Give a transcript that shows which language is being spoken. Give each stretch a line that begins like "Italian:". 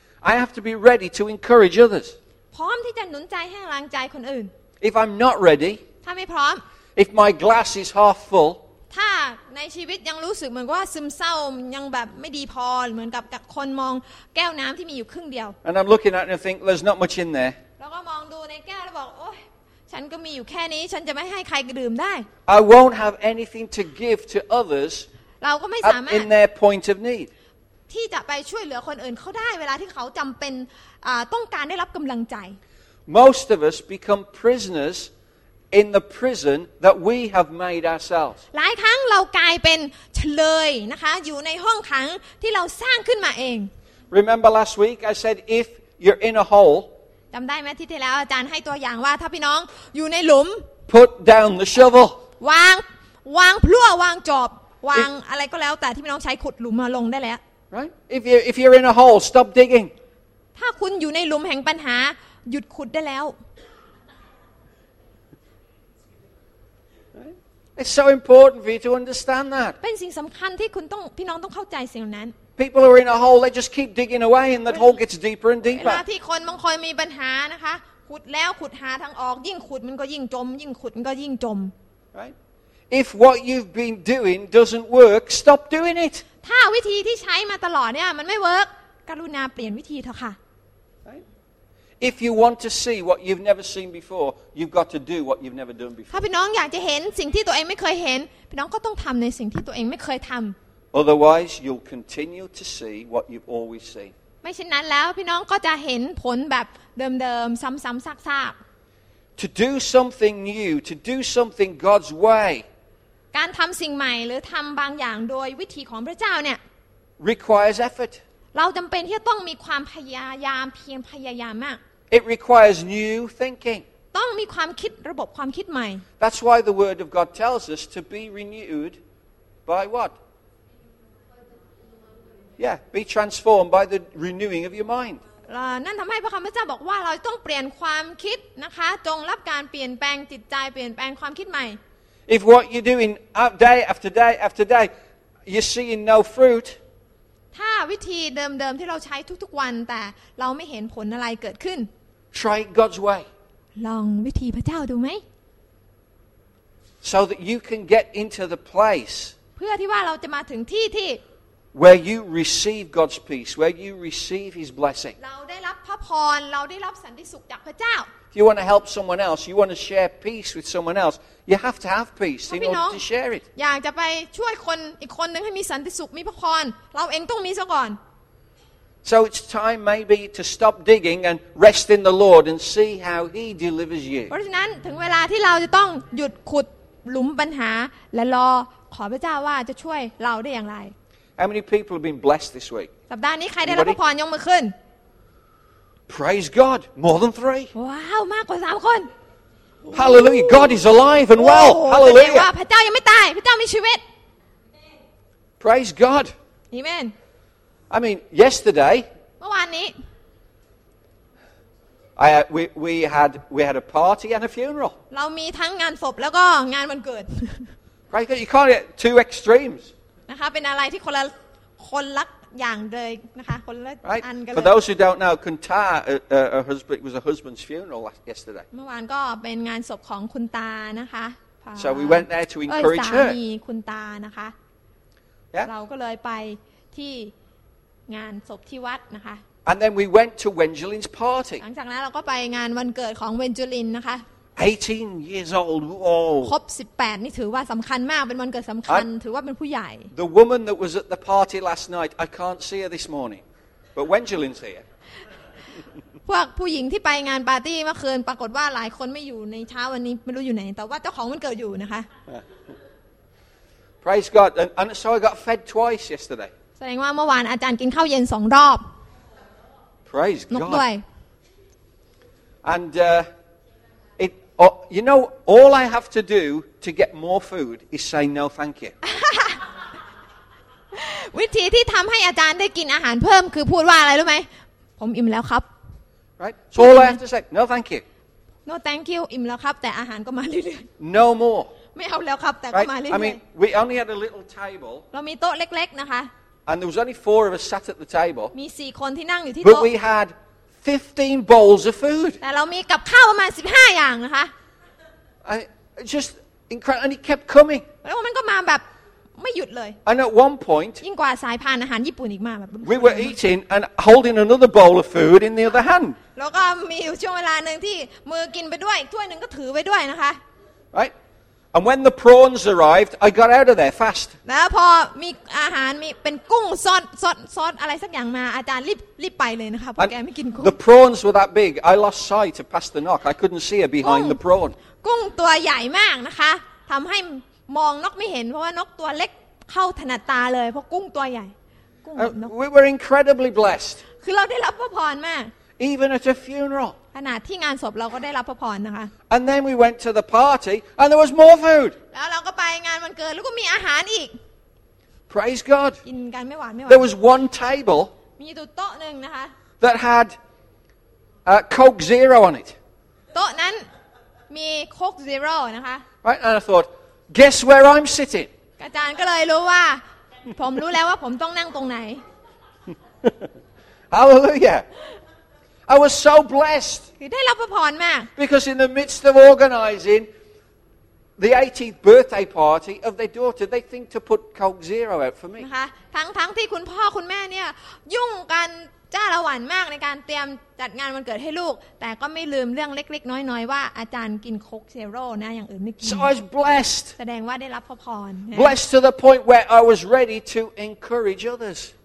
English: I have to be ready to encourage others
Thai: พร้อมที่จะหนุนใจให้กำลังใจคนอื่น
English: If I'm not ready
Thai: ถ้าไม่พร้อม
English: If my glass is half full
Thai: ถ้าในชีวิตยังรู้สึกเหมือนว่าซึมเศร้ายังแบบไม่ดีพอเหมือนกับคนมองแก้วน้ำที่มีอยู่ครึ่งเดียว
English: And I'm looking at it and think there's not much in there
Thai: แล้วก็มองดูในแก้วแล้วบอกโอ๊ยฉันก็มีอยู่แค่นี้ฉันจะไม่ให้ใครดื่มได้
English: I won't have anything to give to others
Thai: เราก็ไม่สามารถ
English: in their point of need
Thai: ที่จะไปช่วยเหลือคนอื่นเขาได้เวลาที่เขาจำเป็นต้องการได้รับกำลังใจ
English: Most of us become prisonersin the prison that we have made ourselves
Thai: หลายครั้งเรากลายเป็นเชลยนะคะอยู่ในห้องขังที่เราสร้างขึ้นมาเอง
English: Remember last week I said if you're in a hole
Thai: จําได้มั้ยที่แล้วอาจารย์ให้ตัวอย่างว่าถ้าพี่น้องอยู่ในหลุม
English: put down the shovel
Thai: วางพลั่ววางจอบวางอะไรก็แล้วแต่ที่พี่น้องใช้ขุดหลุมมาลงได้แล้ว
English: right if you're in a hole stop digging
Thai: ถ้าคุณอยู่ในหลุมแห่งปัญหาหยุดขุดได้แล้ว
English: It's so important for you to understand that.
Thai: เป็นสิ่งสำคัญที่คุณต้องพี่น้องต้องเข้าใจสิ่งนั้น
English: People are in a hole. They just keep digging away, and that hole gets deeper and deeper.
Thai: เวลาที่คนบางคนมีปัญหานะคะขุดแล้วขุดหาทางออกยิ่งขุดมันก็ยิ่งจมยิ่งขุดมันก็ยิ่งจม
English: Right? If what you've been doing doesn't work, stop doing it.
Thai: ถ้าวิธีที่ใช้มาตลอดเนี่ยมันไม่เวิร์กกรุณาเปลี่ยนวิธีเถอะค่ะ
English: If you want to see what you've never seen before, you've got to do what you've never done before.
Thai: ถ้าพี่น้องอยากจะเห็นสิ่งที่ตัวเองไม่เคยเห็นพี่น้องก็ต้องทำในสิ่งที่ตัวเองไม่เคยทำ
English: Otherwise, you'll continue to see what you've always seen.
Thai: ไม่เช่นนั้นแล้วพี่น้องก็จะเห็นผลแบบเดิมๆซ้ำๆซาก
English: ๆ To do something new, to do something God's way.
Thai: การทำสิ่งใหม่หรือทำบางอย่างโดยวิธีของพระเจ้าเนี่ย
English: requires effort.
Thai: เราจำเป็นที่ต้องมีความพยายามเพียรพยายามมาก
English: It requires new thinking.
Thai: ต้องมีความคิดระบบความคิดใหม่
English: That's why the word of God tells us to be renewed by what? Yeah, be transformed by the renewing of your mind.
Thai: นั่นทำให้พระคัมภีร์เจ้าบอกว่าเราต้องเปลี่ยนความคิดนะคะจงรับการเปลี่ยนแปลงจิตใจเปลี่ยนแปลงความคิดใหม่
English: If what you're doing day after day after day, you're seeing no fruit.
Thai: ถ้าวิธีเดิมๆที่เราใช้ทุกๆวันแต่เราไม่เห็นผลอะไรเกิดขึ้น
English: Try God's way
Thai: ลองวิธีพระเจ้าดูไหม
English: So that you can get into the place
Thai: เพื่อที่ว่าเราจะมาถึงที่ที่
English: Where you receive God's peace Where you receive His blessing
Thai: เราได้รับพระพรเราได้รับสันติสุขจากพระเจ้า
English: If you want to help someone else you want to share peace with someone else you have to have peace in order to share it
Thai: อยากจะไปช่วยคนอีกคนนึงให้มีสันติสุขมีพระพรเราเองต้องมีซะก่อน
English: So it's time maybe to stop digging and rest in the Lord and see how he delivers you
Thai: เพราะฉะนั้นถึงเวลาที่เราจะต้องหยุดขุดหลุมปัญหาและรอขอพระเจ้าว่าจะช่วยเราได้อย่างไร
English: How many people have been blessed this week
Thai: สัปดาห์นี้ใครได้รับพระพรยกมือขึ้น
English: Praise God, more than three.
Thai: Wow, มากกว่าสามคน
English: Hallelujah, God is alive and well. Hallelujah.
Thai: ว้าวพระเจ้ายังไม่ตายพระเจ้ามีชีวิต
English: Praise God. Amen. I mean, yesterday.
Thai: เมื่อวานนี้
English: we had a party and a funeral.
Thai: เรามีทั้งงานศพแล้วก็งานวันเกิด
English: Praise God. You can't get two extremes.
Thai: นะคะเป็นอะไรที่คนละอย่างเลยนะคะคนละ
English: right.
Thai: อันกันเลย
English: For those who don't know, Kunta, her husband, it was her husband's funeral yesterday.
Thai: เมื่อวานก็เป็นงานศพของคุณตานะคะ
English: So we went there to encourage her.
Thai: สามีคุณตานะคะ
English: yeah.
Thai: เราก็เลยไปที่งานศพที่วัดนะคะ
English: And then we went to Wenjulin's party.
Thai: หลังจากนั้นเราก็ไปงานวันเกิดของเวนจูลินนะคะ
English: 18 years old. Whoa.
Thai: ครบ 18 นี่ถือว่าสำคัญมากเป็นวันเกิดสำคัญถือว่าเป็นผู้ใหญ่
English: The woman that was at the party last night, I can't see her this morning. But Wenjulin's here.
Thai: พวกผู้หญิงที่ไปงานปาร์ตี้เมื่อคืนปรากฏว่าหลายคนไม่อยู่ในเช้าวันนี้ไม่รู้อยู่ไหนแต่ว่าเจ้าของมันเกิดอยู่นะคะ
English: Praise God. And so I got fed twice yesterday.
Thai: แสดงว่าเมื่อวานอาจารย์กินข้าวเย็น2รอบ
English: Praise God.
Thai: นกด้วย
English: AndOh, you know, all I have to do to get more food is say no, thank you.
Thai: วิธีที่ทำให้อาจารย์ได้กินอาหารเพิ่มคือพูดว่าอะไรรู้ไหมผมอิ่มแล้วครับ
English: Right. So all I have to say no, thank you. No, thank you.
Thai: อิ่มแล้วครับแต่อาหารก็มาเรื่อย
English: ๆ No more.
Thai: ไม่เอาแล้วครับแต่ก็มาเรื่อยๆ
English: I mean, we only had a little table.
Thai: เรามีโต๊ะเล็กๆนะคะ
English: And there was only four of us sat at the table.
Thai: มี4คนที่นั่งอยู่ที่ โต๊ ะ
English: But we had 15 bowls of food.
Thai: แต่เรามีกับข้าวประมาณ15อย่างนะคะ
English: I just incredible and it kept coming.
Thai: แล้วมันก็มาแบบไม่หยุดเลย
English: And at one point
Thai: ยิ่งกว่าสายพานอาหารญี่ปุ่นอีกมากแบบ
English: We were eating and holding another bowl of food in the other hand.
Thai: แล้วก็มีช่วงเวลานึงที่มือกินไปด้วยอีกถ้วยนึงก็ถือไปด้วยนะคะ
English: Right? And when the prawns arrived, I got out of there fast.
Thai: แล้วพอมีอาหารมีเป็นกุ้งซอสอะไรสักอย่างมาอาจารย์รีบไปเลยนะคะเพราะแกไม่กินกุ้ง
English: The prawns were that big. I lost sight of Pastor Nock. I couldn't see her behind the prawn.
Thai: กุ้งตัวใหญ่มากนะคะทำให้มองนกไม่เห็นเพราะว่านกตัวเล็กเข้าถนัดตาเลยเพราะกุ้งตัวใหญ่กุ้งนก
English: We were incredibly blessed.
Thai: คือเราได้รับพระพรมาก
English: Even at a funeral.
Thai: ขณะที่งานศพเราก็ได้รับพระพรนะคะ
English: And then we went to the party and there was more food
Thai: แล้วเราก็ไปงานวันเกิดแล้วก็มีอาหารอีก
English: Praise God
Thai: กินกันไม่หวานไม่หวาน
English: There was one table
Thai: มีโต๊ะนึงนะคะ
English: that had Coke Zero on it
Thai: โต๊ะนั้นมีโค้กซีโร่นะคะ
English: Right and I thought Guess where I'm sitting.
Thai: อาจารย์ก็เลยรู้ว่าผมรู้แล้วว่าผมต้องนั่งตรงไหน
English: Hallelujah. I was so blessed.
Thai: คือได้รับพระพรมาก
English: Because in the midst of organizing the 18th birthday party of their daughter, they think to put Coke Zero out for me.
Thai: นะคะทั้งที่คุณพ่อคุณแม่เนี่ยยุ่งกันจ้าละหวั่นมากในการเตรียมจัดงานวันเกิดให้ลูกแต่ก็ไม่ลืมเรื่องเล็กๆน้อยๆว่าอาจารย์กินโค้กเซโร่นะอย่างอื่นไม่กิน
English: So I was blessed.
Thai: แสดงว่าได้รับพร
English: Blessed to the point where I was ready to encourage others.